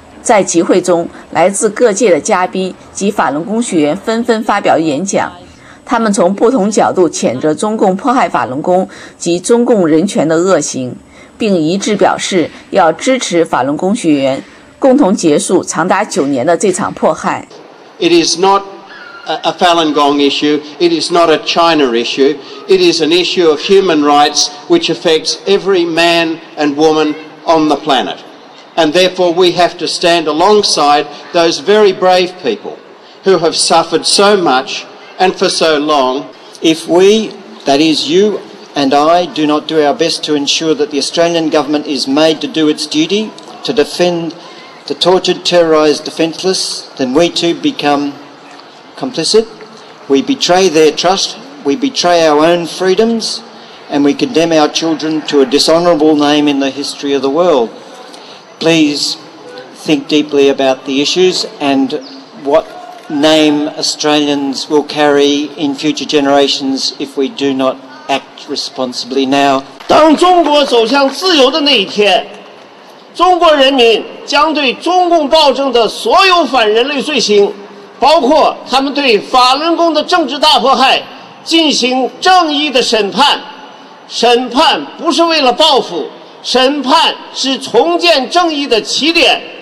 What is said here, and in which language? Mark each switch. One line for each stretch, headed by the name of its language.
Chinese: 在集会中，来自各界的嘉宾及法轮功学员纷纷发表演讲，他们从不同角度谴责中共迫害法轮功及中共人权的恶行，并一致表示要支持法轮功学员共同结束长达9年的这场迫害。
English: It is not a Falun Gong issue. It is not a China issue. It is an issue of human rights which affects every man and woman on the planet. And therefore we have to stand alongside those very brave people who have suffered so much and for so long. If we, that is you and I, do not do our best to ensure that the Australian government is made to do its duty to defendthe tortured, terrorized, defenseless, then we too become complicit. We betray their trust, we betray our own freedoms, and we condemn our children to a dishonorable name in the history of the world. Please think deeply about the issues and what name Australians will carry in future generations if we do not act responsibly now.
Chinese: 当中国走向自由的那一天，中国人民将对中共暴政的所有反人类罪行，包括他们对法轮功的政治大迫害，进行正义的审判。审判不是为了报复，审判是重建正义的起点。